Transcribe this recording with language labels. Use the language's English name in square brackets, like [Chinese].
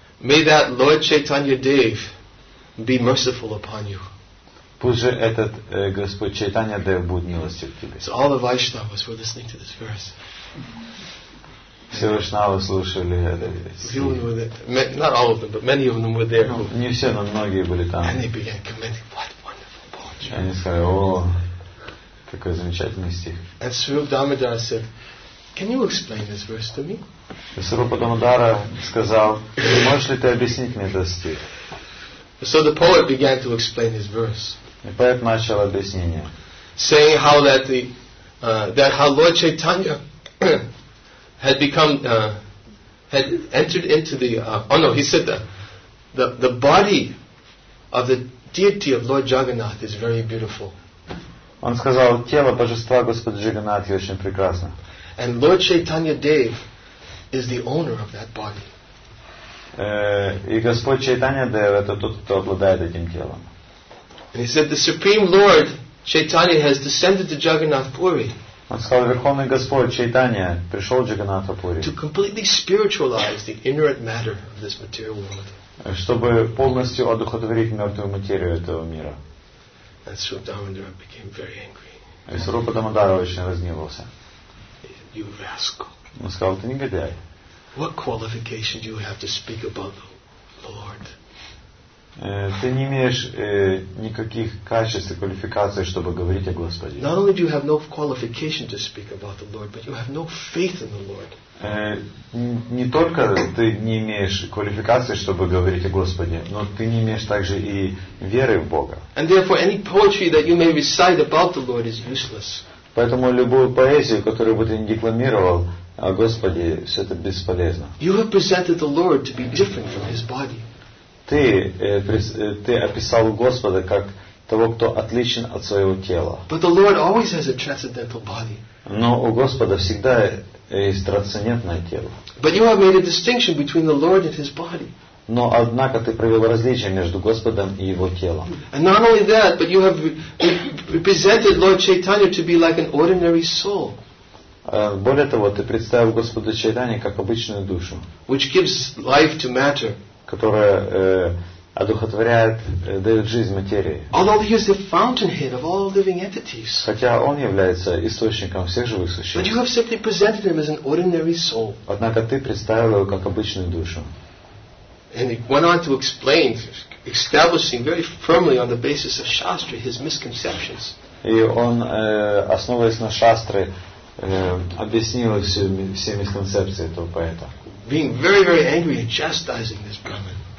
[English] May that Lord Chaitanya Dev be merciful upon you. [Russian] Пусть же этот Господь Чайтанья Дев будет милостив к тебе. [English] So all the Vaishnavas were listening to this verse. [Russian] Все Вайшнавы слушали этот. [English] Not all of them, but many of them were there. [Russian] Не все, но многие были там. [English] And they began commenting, "What wonderful poetry!" [Russian] Они сказали, "О, какой замечательный стих!" [English] And Swarup Damodara said, "Can you explain this verse to me?" [Russian] Swarup Damodara сказал, "Можешь ли ты объяснить мне этот стих?" [English] So the poet began to explain his verse. [Russian] И поэт начал объяснение. [English] Saying how that the that how Lord Chaitanya had become had entered into the he said the body of the deity of Lord Jagannath is very beautiful. [Russian] Он сказал, тело божества Господа Джагнатхи очень прекрасно. [English] And Lord Chaitanya Dev is the owner of that body. [Russian] И Господь Чайтанья Дев это тот, кто обладает этим телом. [English] And he said, "The Supreme Lord Chaitanya has descended to Jagannath Puri." [Russian] Он сказал, Верховный Господь Чайтанья пришел в Джагнатха Пури. [English] To completely spiritualize the inert matter of this material world. [Russian] Чтобы полностью одухотворить мертвую материю этого мира. [English] And Swarup Damodara became very angry. [Russian] И Swarup Damodara очень разгневался. [English] "You rascal!" [Russian] Он сказал, "Ты негодяй!" [English] "What qualification do you have to speak about the Lord?" [Russian] Ты не имеешь никаких качеств и квалификаций, чтобы говорить о Господе. [English] "Not only do you have no qualification to speak about the Lord, but you have no faith in the Lord." [Russian] Не только ты не имеешь квалификации, чтобы говорить о Господе, но ты не имеешь также и веры в Бога. [English] "And therefore, any poetry that you may recite about the Lord is useless." [Russian] Поэтому любую поэзию, которую бы ты ни декламировал, А Господи, все это бесполезно. [English] You have presented the Lord to be different from His body. [Russian] Ты описал Господа как того, кто отличен от своего тела. [English] But the Lord always has a transcendental body. [Russian] Но у Господа всегда есть трансцендентное тело. [English] But you have made a distinction between the Lord and His body. [Russian] Но однако ты провел различие между Господом и Его телом. [English] And not only that, but you have presented Lord Chaitanya to be like an ordinary soul. [Russian] Более того, ты представил Господа Чайтанья как обычную душу, [English] which gives life to matter, [Russian] которая одухотворяет, дает жизнь материи. [English] Although he is the fountainhead of all living entities. [Russian] Хотя он является источником всех живых существ. [English] But you have simply presented him as an ordinary soul. [Russian] Однако ты представил его как обычную душу. [English] And he went on to explain, establishing very firmly on the basis of Shastra his misconceptions. [Russian] И он, основываясь на Шастре, объяснил все мисконцепции этого поэта. [English] Being very, very angry and chastising this Brahman.